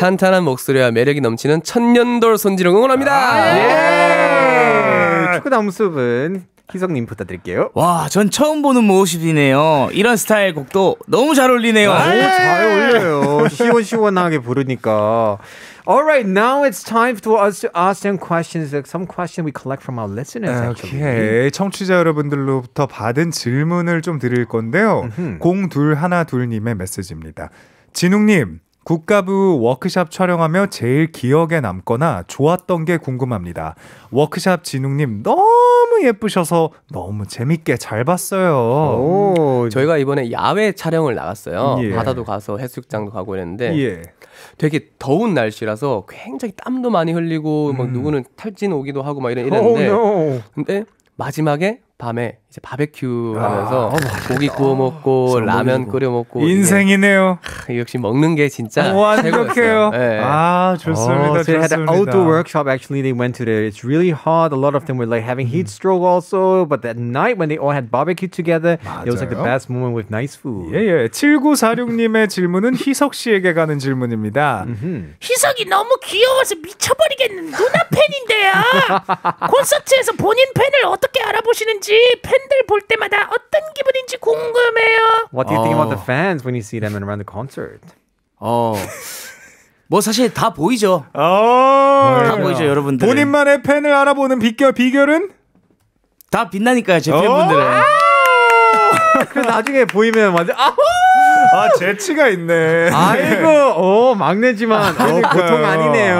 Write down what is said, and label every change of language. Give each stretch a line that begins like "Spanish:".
Korean: 탄탄한 목소리와 매력이 넘치는 천년돌 손준욱 응원합니다. 아, 예. 축구 다음 수업은 희석님 부탁드릴게요. 와, 전 처음 보는 모습이네요. 이런 스타일 곡도 너무 잘 어울리네요. 너무 잘 어울려요. 시원시원하게 부르니까.
English: Alright, now it's time for us to ask them questions. Some questions we collect from our listeners, actually. Okay.
Korean: 청취자 여러분들로부터 받은 질문을 좀 드릴 건데요. 0212님의 메시지입니다. 진욱님, 국가부 워크샵 촬영하며 제일 기억에 남거나 좋았던 게 궁금합니다. 워크샵 진욱님 너무 예쁘셔서 너무 재밌게 잘 봤어요. 오, 저희가 이번에 야외 촬영을 나갔어요. 예. 바다도 가서 해수욕장도 가고 그랬는데 예. 되게 더운 날씨라서 굉장히 땀도 많이 흘리고 뭐 누구는 탈진 오기도 하고 막 이랬는데
English: oh, no.
Korean: 근데 마지막에 밤에 이제 바베큐 하면서 아, 고기 구워 먹고 라면 끓여 먹고 인생이네요. 이게, 역시 먹는 게 진짜 최고였어요. 네. 아 좋습니다.
English: Oh, so they had an outdoor workshop. Actually, they went to there. It's really hot. A lot of them were like having heat stroke also. But that night when they all had barbecue together,
Korean: 맞아요?
English: it was like the best moment with nice food.
Korean: 예예. 7946님의 질문은 희석 씨에게 가는 질문입니다. 희석이 너무 귀여워서 미쳐버리겠는 누나 팬인데요. 콘서트에서 본인 팬을 어떻게 알아보시는지. 팬들 볼 때마다 어떤 기분인지 궁금해요.
English: What do you think about the fans when you see them around the concert?
Korean: 뭐 사실 다 보이죠. 다 보이죠 여러분들. 본인만의 팬을 알아보는 비결은? 다 빛나니까요 제 팬분들은. 그 나중에 보이면 완전 아호! 아 재치가 있네. 아이고 오, 막내지만 보통 아니네요.